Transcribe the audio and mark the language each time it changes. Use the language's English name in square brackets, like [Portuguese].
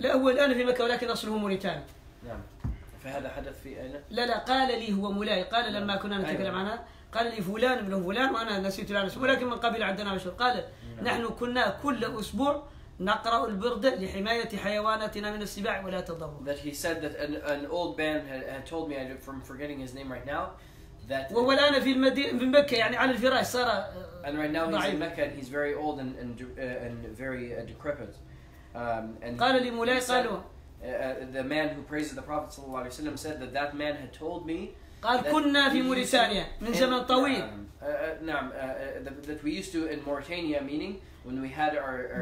[Arabic] لا هو الآن في مكة ولكن أصله موريتانيا. نعم. فهذا حدث في أين؟ لا قال لي هو مولاي قال لما كنا نتكلم عنها قال لي فلان ابن فلان وأنا نسيت الآن اسمه ولكن من قبيل عندنا مشهور قال نحن كنا كل أسبوع نقرأ البردة لحماية حيواناتنا من السباع ولا تضر. [English] That he said that an old man had told me I'm forgetting his name right now. [Arabic] وهو الآن في المدينة في مكة يعني على الفراش صار. [English] And right now he's in Mecca and he's very old and very decrepit. And [Arabic] قال لي مولاي قال [English] the man who praises the Prophet صلى الله عليه وسلم said that that man had told me. [Arabic] قال كنا في موريتانيا من زمن طويل. نعم [English] that we used to in Mauritania meaning when we had our